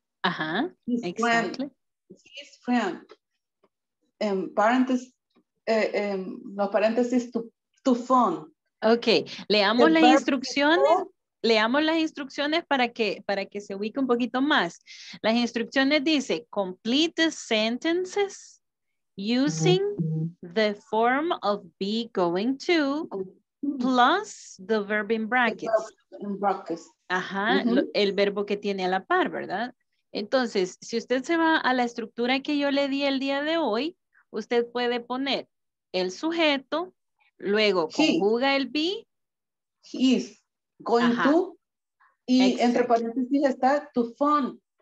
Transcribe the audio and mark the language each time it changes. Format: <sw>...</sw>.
<en>Ajá, exactly. His friend.</en> <es>Los paréntesis</es> <en>to phone.</en> <es>Ok, leamos las instrucciones. Leamos las instrucciones para que se ubique un poquito más. Las instrucciones dice:</es> <en>complete the sentences using the form of be going to plus the verb in brackets.</en> <es>Ajá, el verbo que tiene a la par, ¿verdad? Entonces, si usted se va a la estructura que yo le di el día de hoy, usted puede poner el sujeto. Luego, conjuga el be.</es> <en>He is going to.</en> <es>Y entre paréntesis está</es> <en>to phone.</en>